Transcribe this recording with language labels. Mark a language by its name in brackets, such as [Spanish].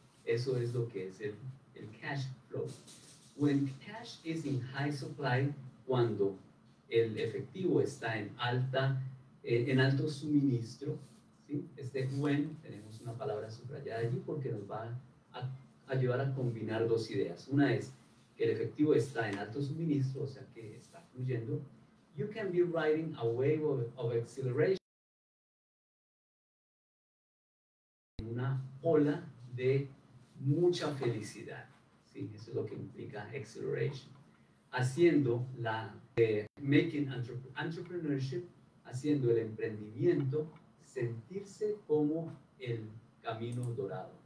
[Spanish] Eso es lo que es el cash flow. [English] When cash is in high supply, [Spanish] cuando el efectivo está en alto suministro, ¿sí? Este when, tenemos una palabra subrayada allí porque nos va a ayudar a combinar dos ideas. Una es que el efectivo está en alto suministro, o sea que está fluyendo. [English] You can be riding a wave of acceleration. [Spanish] Una ola de mucha felicidad. ¿Sí? Eso es lo que implica acceleration. Haciendo la making entrepreneurship, haciendo el emprendimiento, sentirse como el camino dorado.